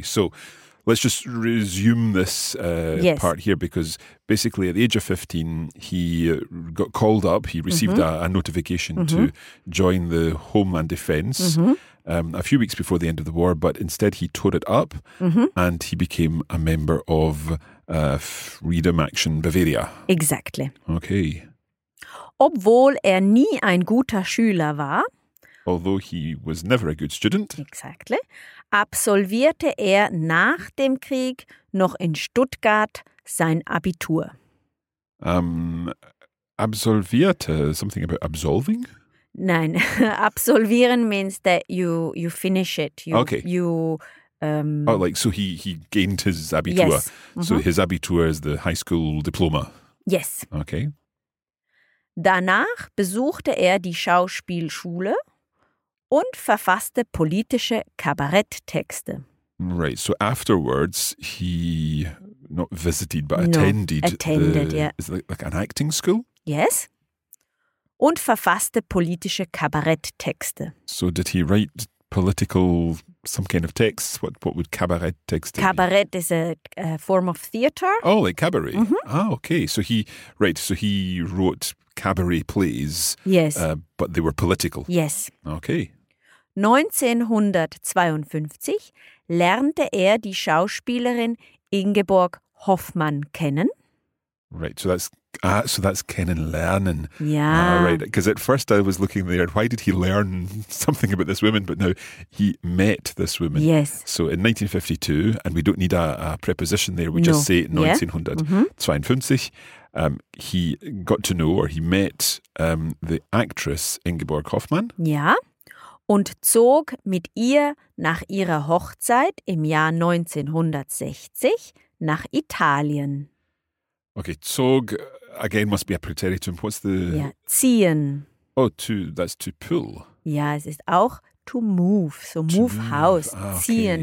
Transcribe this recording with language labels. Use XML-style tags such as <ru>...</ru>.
<en>So let's just resume this part here, because basically at the age of 15, he got called up. He received a notification to join the Homeland Defense a few weeks before the end of the war. But instead, he tore it up and he became a member of Freedom Action Bavaria. Exactly. Okay.</en> <de>Obwohl er nie ein guter Schüler war.</de> <en>Although he was never a good student. Exactly.</en> <de>Absolvierte er nach dem Krieg noch in Stuttgart sein Abitur.</de> <en>Absolvierte, something about absolving? Nein, absolvieren means that you finish it. He gained his Abitur. Yes. Mm-hmm. So his Abitur is the high school diploma. Yes. Okay.</en> <de>Danach besuchte er die Schauspielschule. Und verfasste politische Kabaretttexte.</de> <en>Right, so afterwards he attended. Is it like an acting school? Yes.</en> <de>Und verfasste politische Kabaretttexte.</de> <en>So did he write political, some kind of texts? What would Kabaretttexte</en> <de>Kabarett</de> <en>be? Kabarett is a form of theatre. Oh, like cabaret. Mm-hmm. Ah, okay. So he wrote cabaret plays. Yes. But they were political. Yes. Okay.</en> <de>1952 lernte er die Schauspielerin Ingeborg Hoffmann kennen.</de> <en>Right, so that's kennenlernen. Yeah. Right, because at first I was looking there, why did he learn something about this woman? But now he met this woman. Yes. So in 1952, and we don't need a preposition there, we just say 1952, he got to know or he met the actress Ingeborg Hoffmann. Yeah.</en> <de>Und zog mit ihr nach ihrer Hochzeit im Jahr 1960 nach Italien.</de> <en>Okay, zog, again, must be a preteritum. What's the...</en> <de>Ja, ziehen.</de> <en>Oh, that's to pull.</en> <de>Ja, es ist auch</de> <en>to move. So move house, ziehen.</en>